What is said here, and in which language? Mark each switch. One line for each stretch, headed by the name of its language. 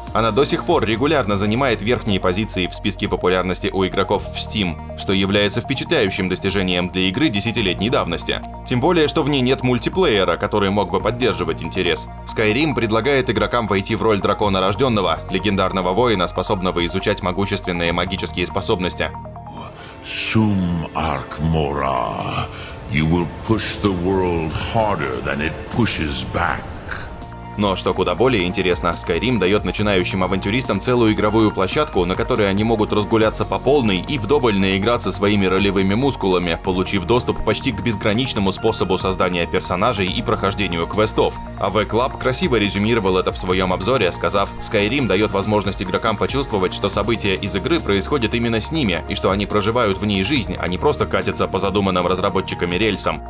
Russian: Она до сих пор регулярно занимает верхние позиции в списке популярности у игроков в Steam, что является впечатляющим достижением для игры десятилетней давности. Тем более, что в ней нет мультиплеера, который мог бы поддерживать интерес. Skyrim предлагает игрокам войти в роль дракона рожденного, легендарного воина, способного изучать могущественные магии. Способности.
English: Soon, Arkmora, you will push the world harder than it pushes back.
Russian: Но что куда более интересно, Skyrim дает начинающим авантюристам целую игровую площадку, на которой они могут разгуляться по полной и вдоволь наиграться своими ролевыми мускулами, получив доступ почти к безграничному способу создания персонажей и прохождению квестов. А VClub красиво резюмировал это в своем обзоре, сказав: «Skyrim дает возможность игрокам почувствовать, что события из игры происходят именно с ними, и что они проживают в ней жизнь, а не просто катятся по задуманным разработчиками рельсам.